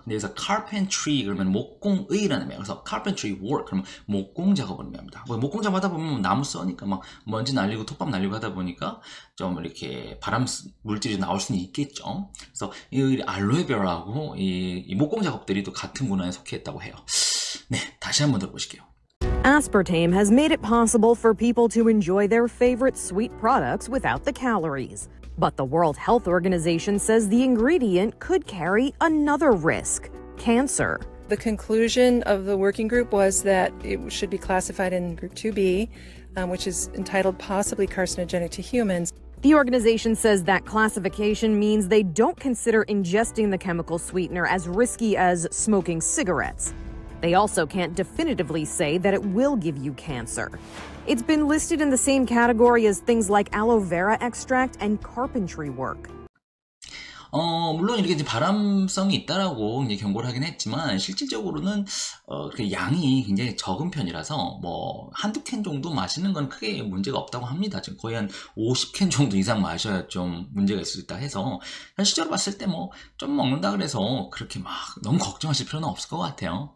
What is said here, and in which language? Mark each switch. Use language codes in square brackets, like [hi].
[ko] 그래서 carpentry 그러면 목공의라는 의미예요. 그래서 carpentry work 그러면 목공 작업을 의미합니다. 뭐 목공 작업하다 보면 나무 써니까 막 먼지 날리고 톱밥 날리고 하다 보니까 좀 이렇게 바람 물질이 나올 수는 있겠죠. 그래서 이 알로에베라하고 이 목공 작업들이 또 같은 문화에 속해 있다고 해요. 네, 다시 한번 들어보실게요. [en] Aspartame has made it possible for people to enjoy their favorite sweet products without the calories. But the World Health Organization says the ingredient could carry another risk, cancer. The conclusion of the working group was that it should be classified in group 2B, which is entitled possibly carcinogenic to humans. The organization says that classification means they don't consider ingesting the chemical sweetener as risky as smoking cigarettes. They also can't definitively say that it will give you cancer. It's been listed in the same category as things like aloe vera extract and carpentry work. [ko] 물론 이렇게 이제 발암성이 있다라고 이제 경고를 하긴 했지만 실질적으로는 그 양이 굉장히 적은 편이라서 뭐 한두 캔 정도 마시는 건 크게 문제가 없다고 합니다. 지금 거의 한 50캔 정도 이상 마셔야 좀 문제가 있을 수 있다 해서 현실적으로 봤을 때 뭐 좀 먹는다 그래서 그렇게 막 너무 걱정하실 필요는 없을 것 같아요.